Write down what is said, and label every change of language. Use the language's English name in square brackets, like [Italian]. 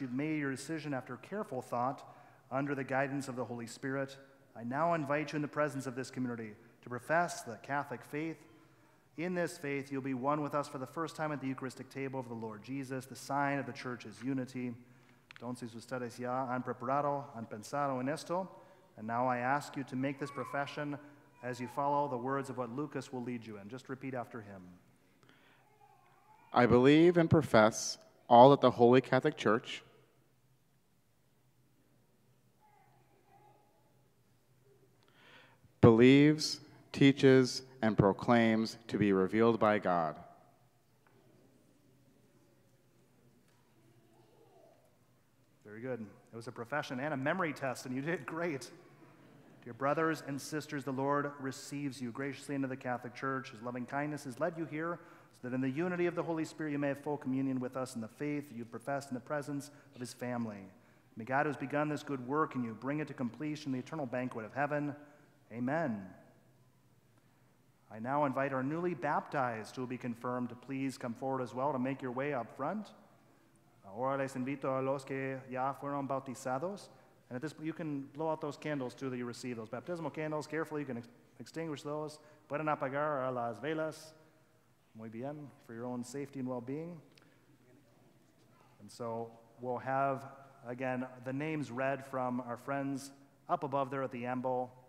[English] You've made your decision after careful thought under the guidance of the Holy Spirit. I now invite you in the presence of this community to profess the Catholic faith. In this faith, you'll be one with us for the first time at the Eucharistic table of the Lord Jesus, the sign of the Church's unity. [Spanish] Entonces ustedes ya han preparado, han pensado en esto. [English] And now I ask you to make this profession as you follow the words of what Lucas will lead you in. Just repeat after him. I believe and profess all that the Holy Catholic Church, believes, teaches, and proclaims to be revealed by God. Very good. It was a profession and a memory test, and you did great. Dear brothers and sisters, the Lord receives you graciously into the Catholic Church. His loving kindness has led you here so that in the unity of the Holy Spirit you may have full communion with us in the faith you profess in the presence of his family. May God, who has begun this good work in you, bring it to completion in the eternal banquet of heaven. Amen. I now invite our newly baptized, who will be confirmed, to please come forward as well to make your way up front. [Spanish] Ahora les invito a los que ya fueron bautizados. [English] And at this point, you can blow out those candles, too, that you received, those baptismal candles. Carefully, you can extinguish those. [Spanish] Pueden apagar a las velas. Muy bien, [English] for your own safety and well-being. And so we'll have, again, the names read from our friends up above there at the amble.